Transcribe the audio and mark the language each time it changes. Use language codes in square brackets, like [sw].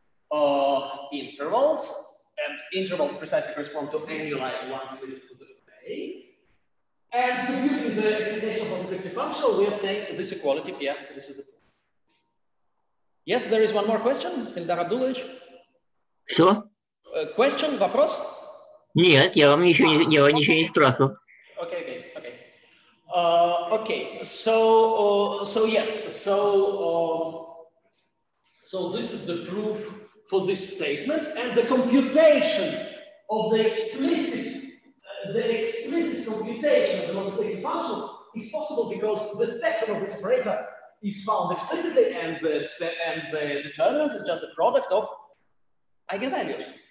[en] of intervals, and intervals precisely correspond to anguli ones in the plane. And computing the expectation of a multiplicative function, we obtain this equality. Yeah, this is it. Yes, there is one more question, Ildar Abdulovich. [ru] Что? [en] Question? [ru] Вопрос? Нет, я вам еще не, я вам ничего не спрашивал. [en] Okay, so this is the proof for this statement, and the computation of the explicit computation of the multiplicative function is possible because the spectrum of this operator is found explicitly, and the determinant is just the product of eigenvalues.